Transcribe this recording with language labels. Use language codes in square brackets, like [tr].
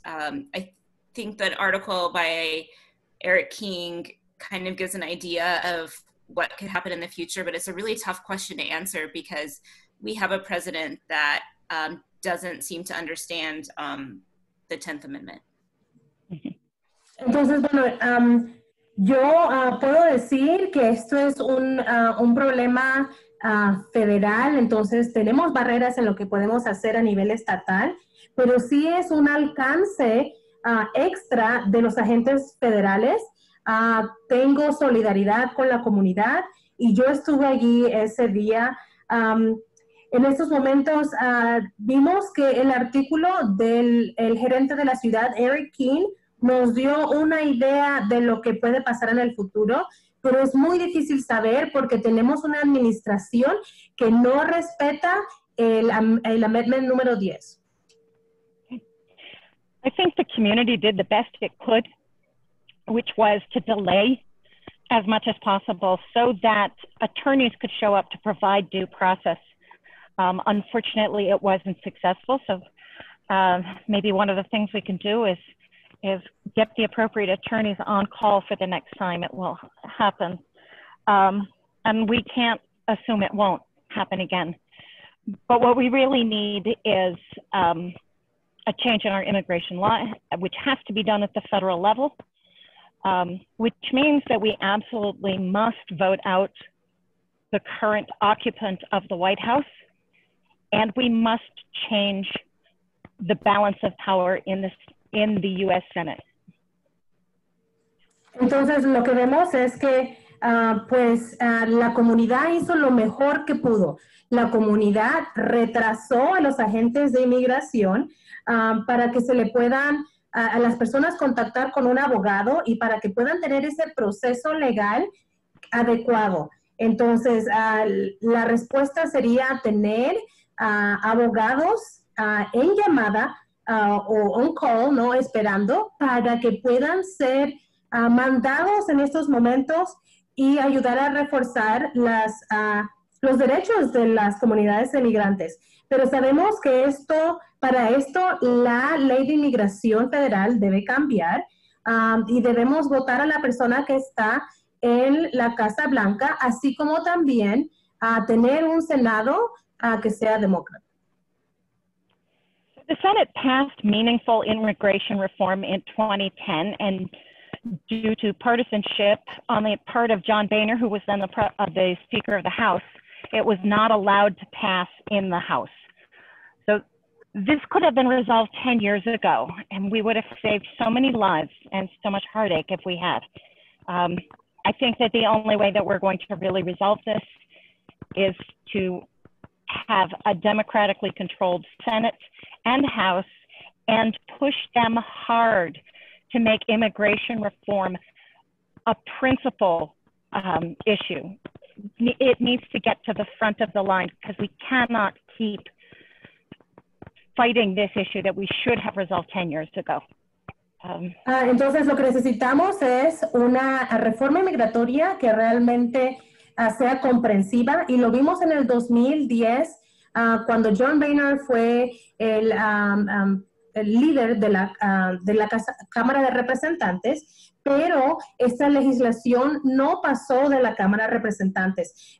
[en] I think that article by Eric King kind of gives an idea of what could happen in the future, but it's a really tough question to answer because we have a president that doesn't seem to understand the 10th Amendment. [es] Entonces, bueno, yo puedo decir que esto es un problema federal, entonces tenemos barreras en lo que podemos hacer a nivel estatal, pero sí es un alcance extra de los agentes federales. Tengo solidaridad con la comunidad y yo estuve allí ese día. En estos momentos vimos que el artículo del el gerente de la ciudad, Eric King, nos dio una idea de lo que puede pasar en el futuro, pero es muy difícil saber porque tenemos una administración que no respeta el amendment número 10. [en] I think the community did the best it could, which was to delay as much as possible so that attorneys could show up to provide due process. Unfortunately, it wasn't successful, so maybe one of the things we can do is get the appropriate attorneys on call for the next time it will happen. And we can't assume it won't happen again. But what we really need is a change in our immigration law, which has to be done at the federal level, which means that we absolutely must vote out the current occupant of the White House, and we must change the balance of power in this in the U.S. Senate. [es] Entonces, lo que vemos es que, pues, la comunidad hizo lo mejor que pudo. La comunidad retrasó a los agentes de inmigración para que se le puedan, a las personas contactar con un abogado y para que puedan tener ese proceso legal adecuado. Entonces, la respuesta sería tener abogados en llamada o [en] on call, [es] ¿no?, esperando para que puedan ser mandados en estos momentos y ayudar a reforzar las, los derechos de las comunidades emigrantes. Pero sabemos que esto, para esto, la ley de inmigración federal debe cambiar y debemos votar a la persona que está en la Casa Blanca, así como también a tener un Senado que sea demócrata. [en] The Senate passed meaningful immigration reform in 2010, and due to partisanship on the part of John Boehner, who was then the Speaker of the House, it was not allowed to pass in the House. So this could have been resolved 10 years ago, and we would have saved so many lives and so much heartache if we had. I think that the only way that we're going to really resolve this is to have a democratically controlled Senate and House and push them hard to make immigration reform a principal issue. It needs to get to the front of the line because we cannot keep fighting this issue that we should have resolved 10 years ago. [es] Entonces lo que necesitamos es una reforma migratoria que realmente sea comprensiva, y lo vimos en el 2010 cuando John Boehner fue el líder de la Cámara de Representantes, pero esta legislación no pasó de la Cámara de Representantes.